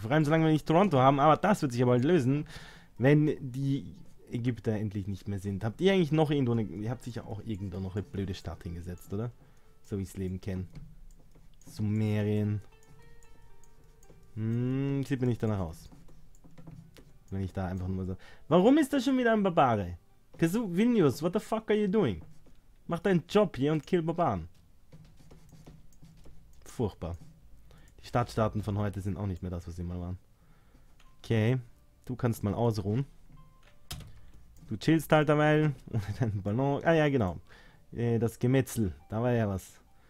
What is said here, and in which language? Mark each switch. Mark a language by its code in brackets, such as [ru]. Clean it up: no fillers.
[de] Vor allem solange wir nicht Toronto haben, aber das wird sich aber bald lösen, wenn die Ägypter endlich nicht mehr sind. Habt ihr eigentlich noch irgendwo eine. Ihr habt sicher auch irgendwo noch eine blöde Stadt hingesetzt, oder? So wie ich das Leben kenne. Sumerien. Sieht mir nicht danach aus. Wenn ich da einfach nur so... Warum ist da schon wieder ein Barbare? [en] Kazu Vinius, what the fuck are you doing? [de] Mach deinen Job hier und kill Barbaren. Furchtbar. Die Stadtstaaten von heute sind auch nicht mehr das, was sie mal waren. Okay, du kannst mal ausruhen. Du chillst halt dabei. Ohne deinen Ballon... Ah ja, genau. Das Gemetzel. Da war ja was.